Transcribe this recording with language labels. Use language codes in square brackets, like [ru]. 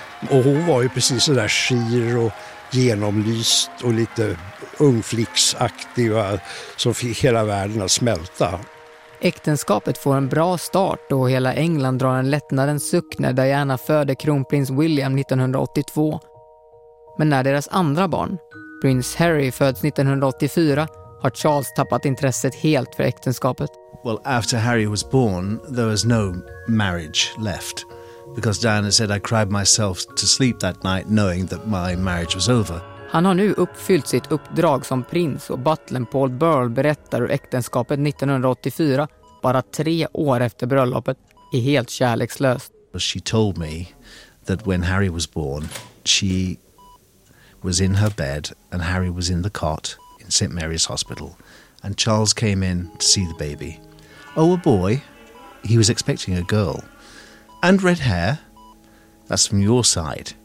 [sv] Och hon var ju precis så där skir och genomlyst och lite ungflicksaktig som fick hela världen att smälta. Äktenskapet får en bra start och hela England drar en lättnadens suck när Diana föder kronprins William 1982. Men när deras andra barn, prins Harry, föds 1984 har Charles tappat intresset helt för äktenskapet. [en] Well, after Harry was born there was no marriage left. Because Diana said I cried myself to sleep that night knowing that my marriage was over. [sv] Han har nu uppfyllt sitt uppdrag som prins och butlern Paul Burrell berättar hur äktenskapet 1984, bara tre år efter bröllopet, är helt kärlekslöst. [en] She told me that when Harry was born, she was in her bed and Harry was in the cot in St. Mary's Hospital. And Charles came in to see the baby. Oh, a boy. He was expecting a girl. And red hair, that's from your side.